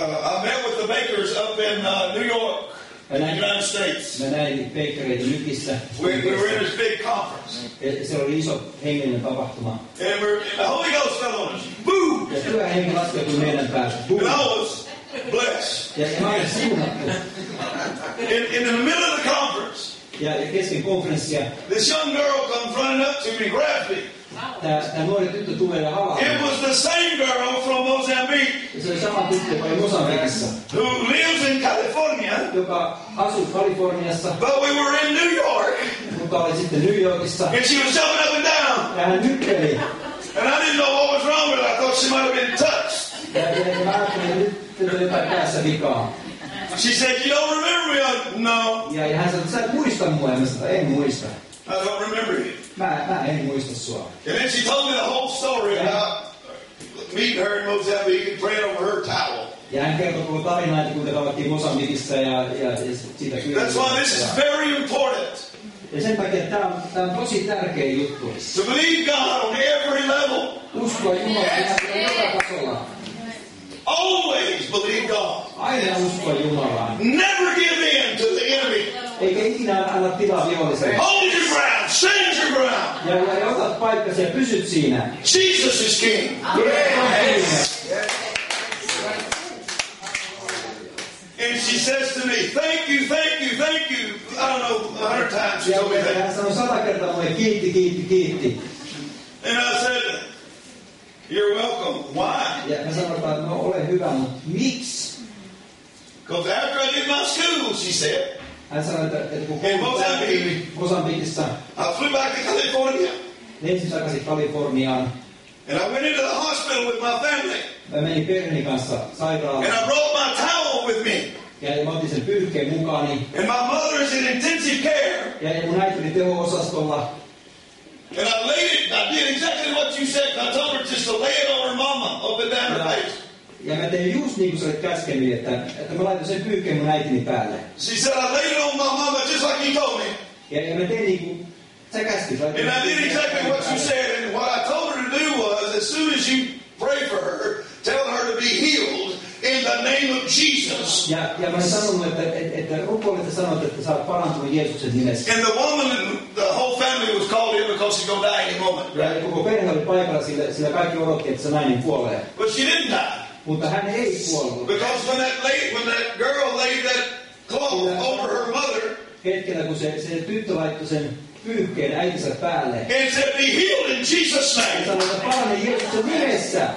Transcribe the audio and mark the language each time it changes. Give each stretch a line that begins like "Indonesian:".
English: I met with the Bakers up in New York, United States.
Finnish: Mä näin Bakereita Nykissä.
English: We were in this big conference.
Finnish: Se oli iso hengellinen tapahtuma.
English: And the Holy Ghost fell on us. Boom!
Finnish: Ja pyhä henki laskeutui meidän päästä.
English: Boom! And I was blessed.
Finnish: Ja mä olin siunattu.
English: In the middle of the conference.
Finnish: Ja,
English: this young girl comes running up to me, grabbed me. It was the same girl from Mozambique who lives in California,
Finnish: joka asui Kaliforniassa,
English: but we were in New York,
Finnish: New Yorkissa,
English: and she was jumping up and down.
Finnish: Ja hän nykkeli.
English: And I didn't know what was wrong with her. I thought she might have been touched. She said, "You don't remember me?" No. Yeah, he has said,
Finnish: "Muista mua,"
English: and I said,
Finnish: "En muista."
English: I don't remember you.
Finnish: Mä en muista sua.
English: And then she told me the whole story about meeting her in Mozambique and praying over her towel.
Finnish: Yeah, hän kertoi koko tarina, että kun tavattiin Mozambikissa ja siitä.
English: That's why this is very important.
Finnish: Ja sen takia tämä on tosi tärkeä juttu.
English: To believe God on every level.
Finnish: Uskoa Jumalaa joka tasolla.
English: Always believe God.
Finnish: Aina uskoa Jumalaa.
English: Never give in to the enemy.
Finnish: Eikä ikinä anna tilaa viholliselle.
English: Hold your ground. Stand your ground.
Finnish: Ja otat paikkasi ja pysyt siinä.
English: Jesus is king. Yes. And she says to me, thank you. I don't know, 100 times she told me that.
Finnish: Hän sanoi 100 kertaa mulle, kiitti.
English: And I said, you're welcome. Why?
Finnish: Ja mä sanoin, että no ole hyvä, mutta miksi?
English: Because after I did my school, she said.
Finnish: Hän sanoi, että kun
English: in
Finnish: Mozambikissa.
English: I flew back to California.
Finnish: Ensin takaisin Kaliforniaan.
English: And I went into the hospital with my family.
Finnish: Mä menin perheeni kanssa sairaalaan.
English: And I brought my towel with me.
Finnish: Ja mä otin sen pyyhkeen mukaani.
English: And my mother is in intensive care.
Finnish: Ja mun äitini teho-osastolla.
English: And I laid it. I did exactly what you said. I told her just to lay it on her mama up and down her face.
Finnish: Ja mä tein just niin kuin sä olet käskenyt, että mä laitan sen pyyhkeen mun äitini päälle.
English: She said I laid it on my mama just like you told me.
Finnish: Ja mä tein niin kuin sä käskit.
English: And I did exactly what you said. And what I told her to do was as soon as you pray for her, tell her to be healed in the name of Jesus.
Finnish: Ja mä sanon, että rukoilet ja sanot, että sä oot parantunut Jeesuksen nimessä.
English: And the woman, the whole family was called in because she's going to die any moment.
Finnish: Ja koko perhe oli paikalla, sillä kaikki odotti, että se nainen kuolee.
English: But she didn't die.
Finnish: Mutta hän ei kuollut.
English: Because when that lady, when that girl laid that cloth over her mother,
Finnish: hetkellä kun se tyttö laittoi sen pyyhkeen äitinsä päälle.
English: And said, be healed in Jesus' name.
Finnish: Ja sanoi, että parane Jeesuksen nimessä.